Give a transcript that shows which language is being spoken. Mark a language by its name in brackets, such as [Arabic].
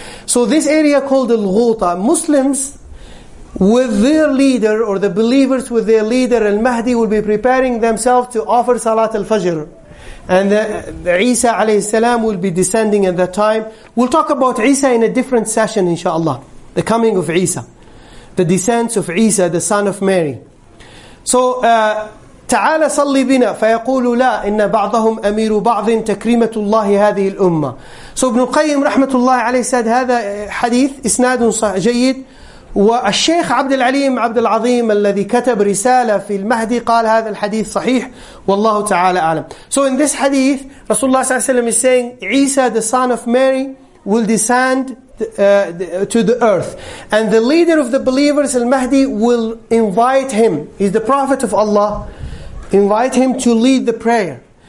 [English] So this area called Al-Ghuta, Muslims with their leader or the believers with their leader Al-Mahdi will be preparing themselves to offer Salat Al-Fajr. And Isa alayhi salam will be descending at that time. We'll talk about Isa in a different session inshaAllah. The coming of Isa. The descent of Isa, the son of Mary. [Arabic] So, تعالى صلي بنا فيقول لا إن بعضهم أمير بعض تكريمة الله هذه الأمة. [English] So Ibn Qayyim [Arabic] رحمة الله عليه [English] said [Arabic] هذا حديث إسناد جيد والشيخ عبد العليم عبد العظيم الذي كتب رسالة في المهدي قال هذا الحديث صحيح والله تعالى أعلم. [English] So in this hadith, Rasulullah [Arabic] صلى الله عليه وسلم [English] is saying, Isa the son of Mary will descend to the earth, and the leader of the believers, al-Mahdi, will invite him. He's the prophet of Allah. Invite him to lead the prayer.